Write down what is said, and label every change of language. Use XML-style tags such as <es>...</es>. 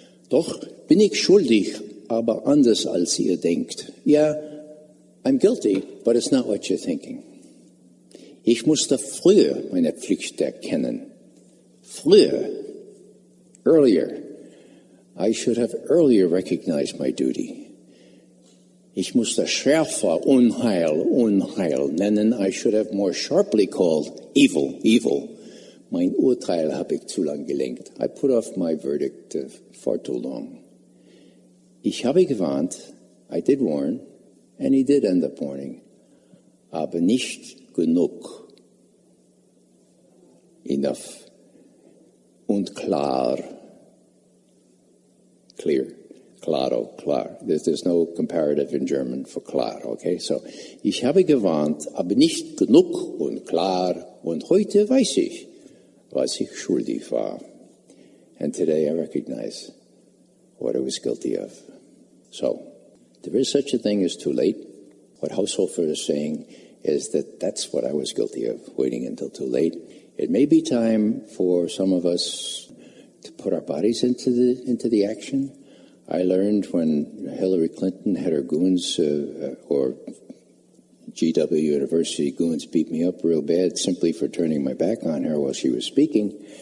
<de>Doch bin ich schuldig, aber anders als ihr denkt.</de> <en>Yeah, I'm guilty, but it's not what you're thinking.</en> <de>Ich musste früher meine Pflicht erkennen. Früher.</de> <en>Earlier. I should have earlier recognized my duty.</en> <de>Ich musste schärfer Unheil, Unheil nennen.</de> <en>I should have more sharply called evil, evil.</en> <de>Mein Urteil habe ich zu lang gelenkt.</de> <en>I put off my verdict far too long.</en> <de>Ich habe gewarnt,</de> <en>I did warn, and he did end up warning.</en> <de>Aber nicht genug.</de> <en>Enough.</en> <de>Und klar.</de> <en>Clear, claro, klar. There's no comparative in German for klar, okay?</en> <de>So, ich habe gewarnt, aber nicht genug und klar, und heute weiß ich, was ich schuldig war.</de> <en>And today I recognize what I was guilty of. So there is such a thing as too late. What Haushofer is saying is that that's what I was guilty of, waiting until too late. It may be time for some of us to put our bodies into the action. I learned when Hillary Clinton had her goons or GW University goons beat me up real bad simply for turning my back on her while she was speaking.</en>